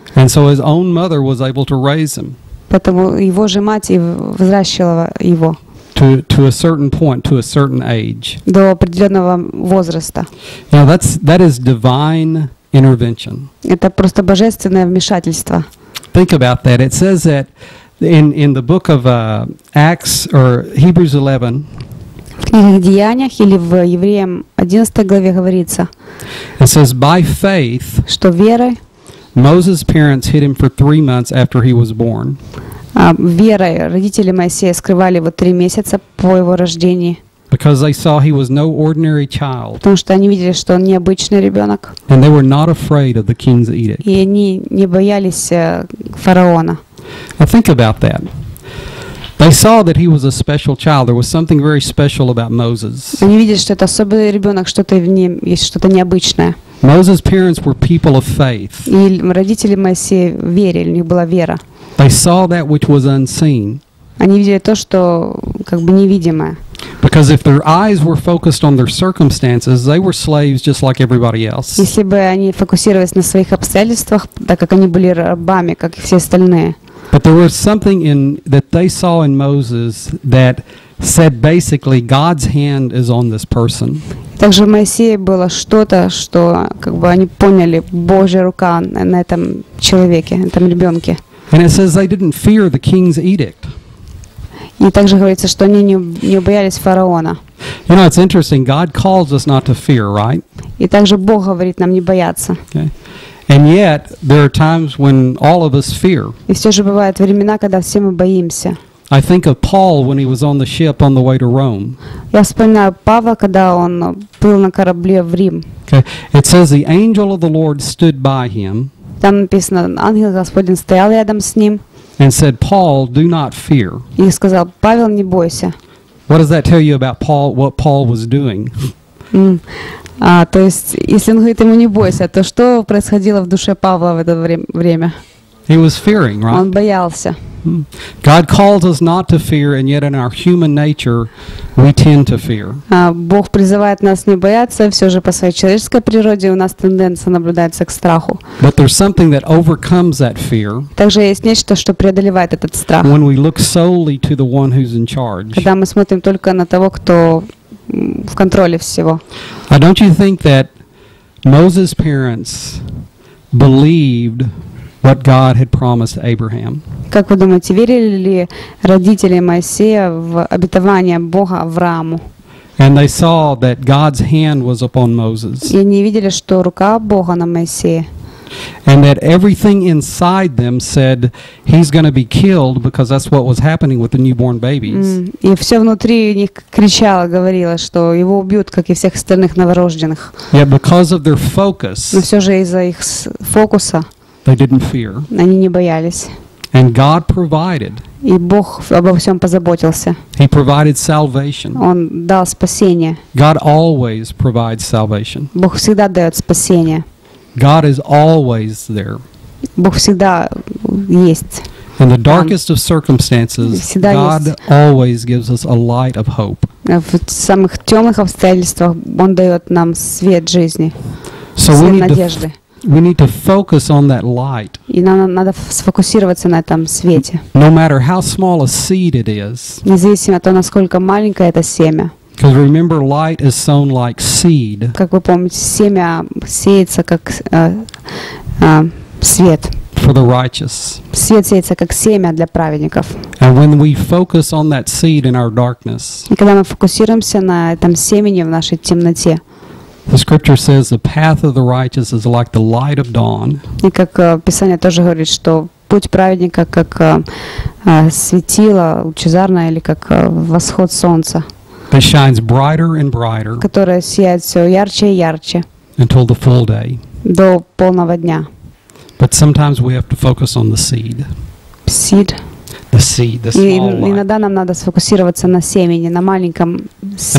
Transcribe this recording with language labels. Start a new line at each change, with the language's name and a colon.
English: And so his own mother was able to raise him.
Russian: Поэтому его же мать и взращивала его.
English: To a certain point, to a certain age.
Russian: До определенного возраста.
English: Now that is divine intervention.
Russian: Это просто божественное вмешательство.
English: Think about that. It says that in the book of Acts or Hebrews 11.
Russian: В книгах Деяниях или в Евреям 11 главе говорится.
English: It says by faith.
Russian: Что верой.
English: Moses' parents hid him for 3 months after he was born.
Russian: Верой родители Моисея скрывали его 3 месяца по его рождению.
English: Because they saw he was no ordinary child.
Russian: Потому что они видели, что он необычный ребенок.
English: And they were not afraid of the king's edict.
Russian: И они не боялись фараона.
English: Now think about that. They saw that he was a special child. There was something very special about Moses.
Russian: Они видели, что это особенный ребенок, что-то в нем есть, что-то необычное.
English: Moses' parents were people of faith.
Russian: И родители Моисея верили, у них была вера.
English: They saw that which was unseen.
Russian: Они видели то, что как бы невидимое.
English: Because if their eyes were focused on their circumstances, they were slaves just like everybody else.
Russian: Если бы они фокусировались на своих обстоятельствах, так как они были рабами, как и все остальные.
English: But there was something in that they saw in Moses that said basically God's hand is on this person.
Russian: Также в Моисее было что-то, что как бы они поняли, Божья рука на этом человеке, на этом ребенке.
English: And it says they didn't fear the king's edict.
Russian: И также говорится, что они не боялись фараона.
English: You know, it's interesting. God calls us not to fear, right?
Russian: И также Бог говорит нам не бояться.
English: Okay. And yet there are times when all of us fear.
Russian: И все же бывают времена, когда все мы боимся.
English: I think of Paul when he was on the ship on the way to Rome.
Russian: Я вспоминаю Павла, когда он был на корабле в Рим.
English: Okay. It says the angel of the Lord stood by him.
Russian: Там написано, ангел Господень стоял рядом с ним.
English: And said, Paul, do not fear.
Russian: И сказал, Павел, не бойся.
English: What does that tell you about Paul, what Paul was doing?
Russian: То есть, если он говорит ему не бойся, то что происходило в душе Павла в это время?
English: He was fearing, right?
Russian: Он боялся.
English: God calls us not to fear, and yet in our human nature, we tend to fear.
Russian: Бог призывает нас не бояться, все же по своей человеческой природе у нас тенденция наблюдается к страху.
English: But there's something that overcomes that fear.
Russian: Также есть нечто, что преодолевает этот страх.
English: When we look solely to the one who's in charge.
Russian: Когда мы смотрим только на того, кто в контроле всего.
English: Don't you think that Moses' parents believed what God had promised Abraham?
Russian: Как вы думаете, верили ли родители Моисея в обетование Бога Аврааму?
English: And they saw that God's hand was upon Moses.
Russian: И они видели, что рука Бога на Моисее.
English: And that everything inside them said, he's going to be killed, because that's what was happening with the newborn babies.
Russian: И все внутри них кричало, говорило, что его убьют, как и всех остальных новорожденных.
English: Yet because of their focus,
Russian: но все же из-за их фокуса,
English: they didn't fear.
Russian: Они не боялись.
English: And God provided.
Russian: И Бог обо всем позаботился.
English: He provided salvation.
Russian: Он дал спасение.
English: God always provides salvation.
Russian: Бог всегда дает спасение.
English: God is always there.
Russian: Бог всегда есть.
English: In the darkest of circumstances, God always gives us a light of hope.
Russian: В самых темных обстоятельствах Он дает нам свет жизни, свет надежды.
English: We need to focus on that light.
Russian: И нам надо сфокусироваться на этом свете.
English: No matter how small a seed it is.
Russian: Независимо от того, насколько маленькое это семя.
English: Because remember, light is sown like seed.
Russian: Как вы помните, семя сеется как свет.
English: For the righteous.
Russian: Свет сеется как семя для праведников.
English: And when we focus on that seed in our darkness.
Russian: И когда мы фокусируемся на этом семени в нашей темноте.
English: The scripture says the path of the righteous is like the light of dawn.
Russian: И как Писание тоже говорит, что путь праведника как светило лучезарное или как восход солнца.
English: That shines brighter and brighter.
Russian: Которое сияет все ярче и ярче.
English: Until the full day.
Russian: До полного дня.
English: But sometimes we have to focus on the seed. Seed. The seed, the small light.
Russian: И иногда нам надо сфокусироваться на семени, на маленьком светике.